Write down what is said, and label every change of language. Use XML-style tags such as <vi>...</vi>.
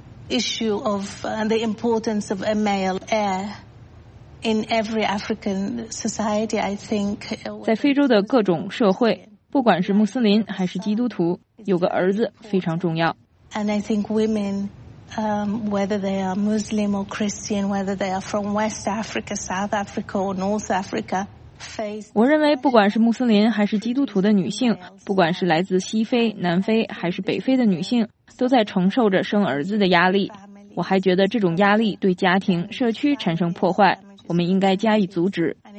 <en>Issue of the importance of a male heir in every African society, I think.</en> <zh>在非洲的各种社会，不管是穆斯林还是基督徒，有个儿子非常重要。</zh> <en>And I think women, whether they are Muslim or Christian, whether they are from West Africa, South Africa or North Africa,</en> <zh>我认为不管是穆斯林还是基督徒的女性，不管是来自西非、南非还是北非的女性，都在承受着生儿子的压力。我还觉得这种压力对家庭、社区产生破坏，我们应该加以阻止。</zh>